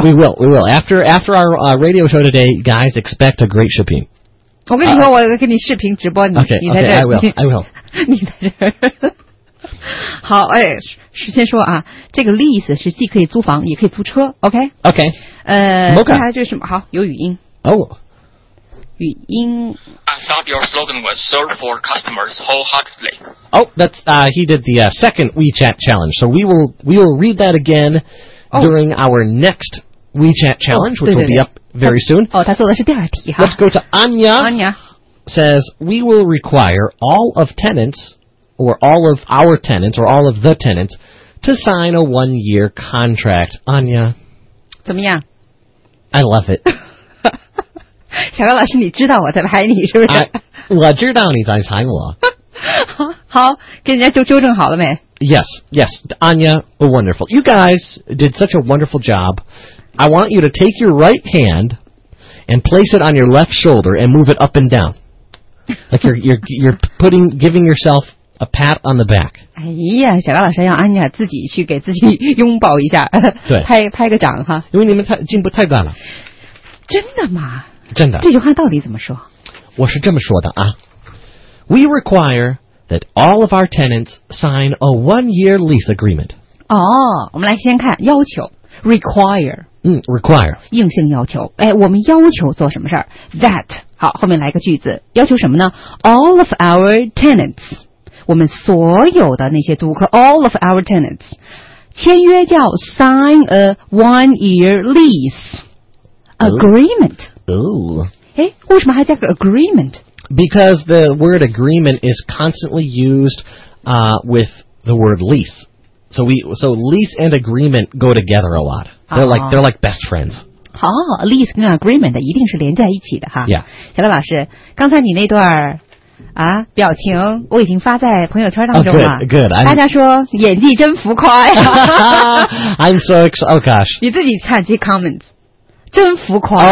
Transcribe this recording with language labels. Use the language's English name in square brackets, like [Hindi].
[English] We will. After our, radio show today, guys, expect a great 视频。 [Chinese] 我跟你说、我给你视频直播你 [English] okay, [Chinese] 你在这 [English] okay, I will. [Chinese] 你在这好哎事先说啊这个 lease 是既可以租房也可以租车 okay? [English] Okay. [Chinese] 接下来就是什么好有语音。 [English] Oh. I thought your slogan was serve for customers wholeheartedly. Oh, that's, he did the, second WeChat challenge. So we will read that again、 oh. during our next WeChat challenge, which [Chinese] 对对对 [English] will be up very soon. [Chinese] Oh, 他做的是第二题哈。 [English] Let's go to Anya. Anya. Says, we will require all of tenants, or all of our tenants, or all of the tenants, to sign a one-year contract. Anya. [Chinese] 怎么样? [English] I love it. [Chinese] 小高老师，你知道我在拍你是不是？我知道你在拍我。好，给人家纠正好了没 [English] ？Yes, yes, Anya, wonderful. You guys did such a wonderful job. I want you to take your right hand and place it on your left shoulder and move it up and down, like you're putting giving yourself a pat on the back. [Chinese] 哎呀，小高老师要安妮自己去给自己拥抱一下，对，拍个掌哈。因为你们太进步太大了。真的吗？真的这句话到底怎么说我是这么说的啊 [English] We require that all of our tenants sign a one-year lease agreement [Chinese] 哦我们来先看要求 require 嗯 require 硬性要求哎我们要求做什么事儿 that 好后面来个句子要求什么呢 [English] all of our tenants [Chinese] 我们所有的那些租客 all of our tenants 签约叫 [English] sign a one-year lease agreement、嗯Ooh. [Chinese] 诶为什么还加个 agreement? [English] Because the word agreement is constantly used, with the word lease. So lease and agreement go together a lot. They're like best friends. [Chinese] 好、oh, lease 跟 agreement 一定是连在一起的哈。 [English] Yeah. [Chinese] 小乐老师刚才你那段啊表情我已经发在朋友圈当中了。 [English] Oh, good. [Chinese] 大家说演技真浮夸呀。 [English] I'm so excited. Oh gosh. [Chinese] 你自己看这些 comments。真浮夸。